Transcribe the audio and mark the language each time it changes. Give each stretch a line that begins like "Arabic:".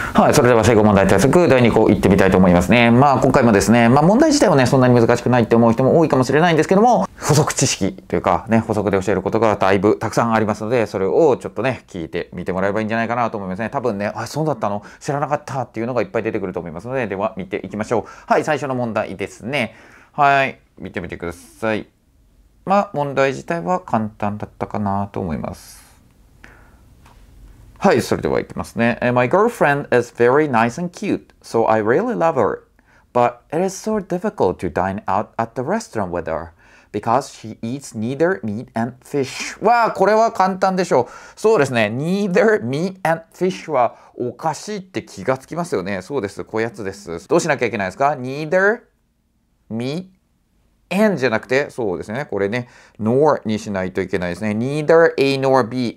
Japanese: それでは正誤問題対策第2項いってみたいと思いますね。まあ今回もですね、まあ問題自体はねそんなに難しくないって思う人も多いかもしれないんですけども、補足知識というかね、補足で教えることがだいぶたくさんありますので、それをちょっとね聞いてみてもらえばいいんじゃないかなと思いますね。多分ね、あ、そうだったの、知らなかったっていうのがいっぱい出てくると思いますので、では見ていきましょう。はい、最初の問題ですね。はい、見てみてください。まあ問題自体は簡単だったかなと思います。はい、それでは行きますね。
English: My girlfriend is very nice and cute, so I really love her. But it is so difficult to dine out at the restaurant with her because she eats neither meat and fish.
Japanese: わあ、これは簡単でしょう。そうですね。
English: Neither meat and fish
Japanese: はおかしいって気がつきますよね。そうです。こやつです。どうしなきゃいけないですか ?
English: Neither meat and
Japanese: じゃなくて、そうですね。これね、nor にしないといけないですね。
English: neither A nor B。